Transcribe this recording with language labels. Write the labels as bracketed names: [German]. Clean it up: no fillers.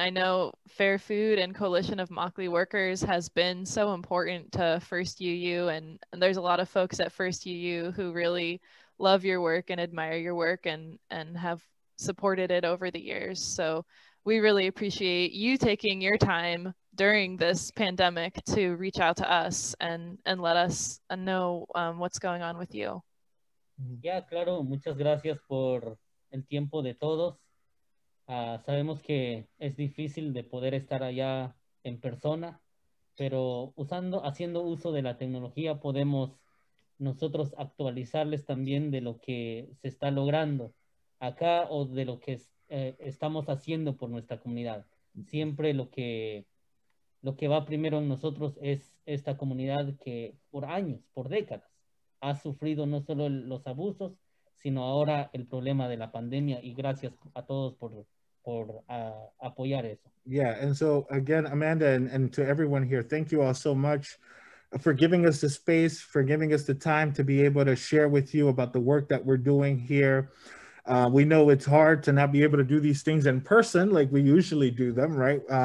[English] I know Fair Food and Coalition of Immokalee Workers has been so important to First UU, and there's a lot of folks at First UU who really love your work and admire your work and have supported it over the years. So we really appreciate you taking your time during this pandemic to reach out to us and let us know what's going on with you. [Spanish] Ya, claro, muchas gracias por el tiempo de todos. Sabemos que es difícil de poder estar allá en persona, pero haciendo uso de la tecnología podemos nosotros actualizarles también de lo que se está logrando acá o de lo que estamos haciendo por nuestra comunidad. Siempre lo que va primero en nosotros es esta comunidad que por años, por décadas, ha sufrido no solo los abusos, sino ahora el problema de la pandemia, y gracias a todos por apoyar eso. [English] Yeah, and so again, Amanda, and to everyone here, thank you all so much for giving us the space, for giving us the time to be able to share with you about the work that we're doing here. We know it's hard to not be able to do these things in person like we usually do them, right?